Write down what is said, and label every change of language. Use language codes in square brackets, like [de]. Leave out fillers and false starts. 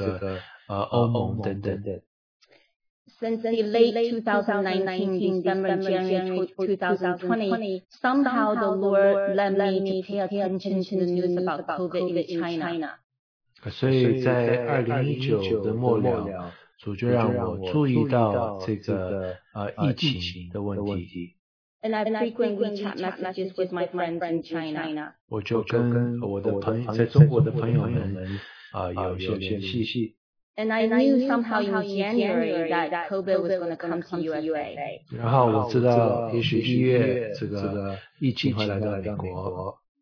[zh] 所以我就读到关于但以理书，就是圣殿重建，还有这个欧盟等等。 [en] Since the late 2019, December, January 2020, somehow the Lord led me to pay attention to the news about COVID in China. [zh] 所以在2019的末了，主就让我注意到这个疫情的问题。 [en] And I frequently chat messages with my friends in China. [zh] 我就跟我的朋友，在中国的朋友们，有些联系。 [en] And I knew somehow in January that COVID was going to come to USA. [zh] 然后我知道，也许一月这个疫情会来到美国。